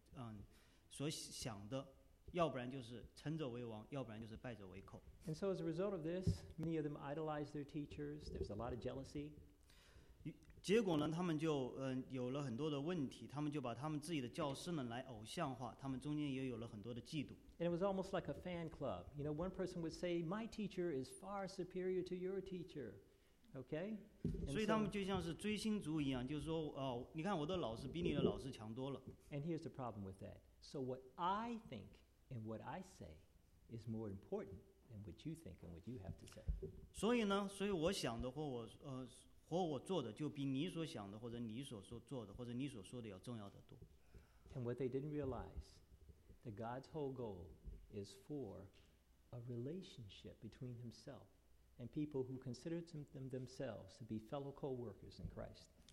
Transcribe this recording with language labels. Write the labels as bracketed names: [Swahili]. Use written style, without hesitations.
[Chinese] 所以他们就在这个学习这个圣经的时候，他们认为，如果你不是胜利者，你就是失败者。就像我们今天所想的。要不然就是成者为王，要不然就是败者为寇。 [English] And so as a result of this, many of them idolized their teachers. There's a lot of jealousy. [Chinese] 结果呢，他们就有了很多的问题，他们就把他们自己的教师们来偶像化，他们中间也有了很多的嫉妒。 [English] And it was almost like a fan club. You know, one person would say, my teacher is far superior to your teacher. Okay? [Chinese] 所以他们就像是追星族一样，就是说，哦，你看我的老师比你的老师强多了。 [English] And here's the problem with that. So what I think and what I say is more important than what you think and what you have to say. [Chinese] 所以呢，所以我想的或我做的，就比你所想的或者你所做的或者你所说的要重要的多。 [English] And what they didn't realize, that God's whole goal is for a relationship between Himself and people who consider themselves to be fellow co-workers in Christ.